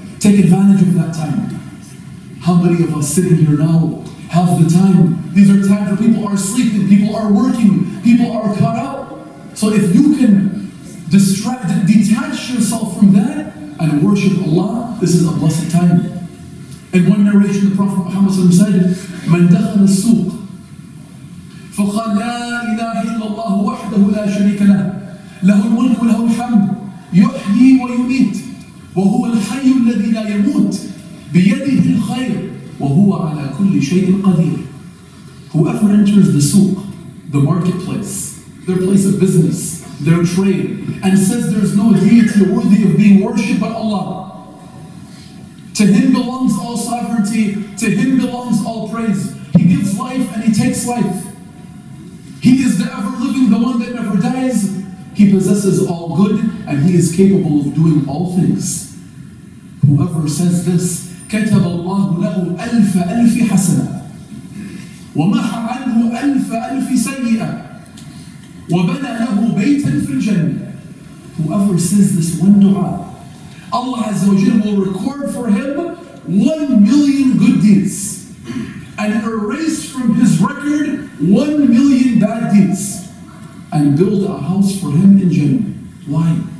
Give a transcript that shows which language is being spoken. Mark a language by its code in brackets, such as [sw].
[en] Take advantage of that time. How many of us sitting here now have the time? These are times where people are sleeping, people are working, people are caught up. So if you can detach yourself from that and worship Allah, this is a blessed time. In one narration, the Prophet Muhammad said, [ar] "Man dakhala as-souq فقال لا إله إلا الله وحده لا شريك له له الملك له الحمد يحيي ويميت وهو الحي الذي لا يموت بيده الخير وهو على كل شيء قدير." [en] Whoever enters the souq, the marketplace, their place of business, their trade, and says there is no deity worthy of being worshipped but Allah, to Him belongs all sovereignty, to Him belongs all praise. He gives life and He takes life. He is the ever-living, the one that never dies. He possesses all good, and He is capable of doing all things. Whoever says this, [ar] كَتَبَ اللَّهُ لَهُ أَلْفَ أَلْفِ حَسَنَةً وَمَحَ عَنْهُ أَلْفَ أَلْفِ سَيِّئَةً وَبَنَى لَهُ بَيْتًا فِي الْجَنَّةِ. [en] Whoever says this one dua, Allah Azza wa Jalla will record for him 1 million good deeds and erase from his record 1 million bad deeds and build a house for him in Jannah. Why?